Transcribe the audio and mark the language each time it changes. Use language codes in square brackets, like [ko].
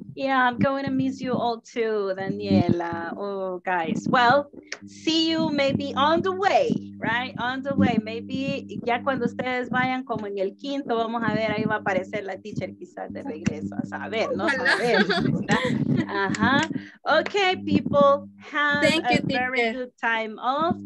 [en] Yeah, I'm going to miss you all too, Daniela. Oh, guys. Well, see you maybe on the way, right? On the way. [es] Maybe ya cuando ustedes vayan como en el quinto, vamos a ver, ahí va a aparecer la teacher quizás de regreso. A saber, ¿no? A ver. [en] Okay, people. Thank you, teacher. Have a very good time off.